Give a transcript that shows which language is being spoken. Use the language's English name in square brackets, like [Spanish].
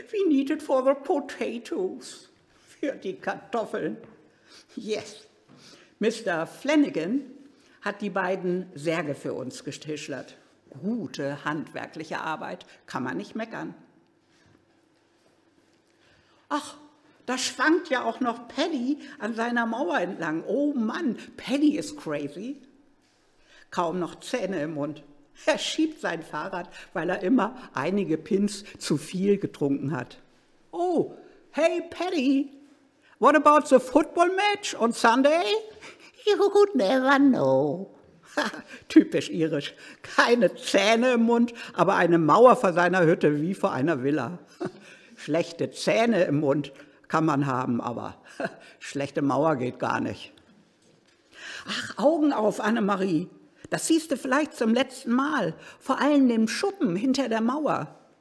[English] We need it for the potatoes. [German] Für die Kartoffeln. Yes. Mr. Flanagan hat die beiden Särge für uns gestischlert. Gute handwerkliche Arbeit. Kann man nicht meckern. Ach, da schwankt ja auch noch Paddy an seiner Mauer entlang. Oh Mann, Paddy ist crazy. Kaum noch Zähne im Mund. Er schiebt sein Fahrrad, weil er immer einige Pins zu viel getrunken hat. [English] Oh, hey Paddy, what about the football match on Sunday? You never know. [German] Typisch irisch. Keine Zähne im Mund, aber eine Mauer vor seiner Hütte wie vor einer Villa. Schlechte Zähne im Mund. Kann man haben, aber schlechte Mauer geht gar nicht. Ach, Augen auf, Annemarie. Das siehst du vielleicht zum letzten Mal, vor allem im Schuppen hinter der Mauer.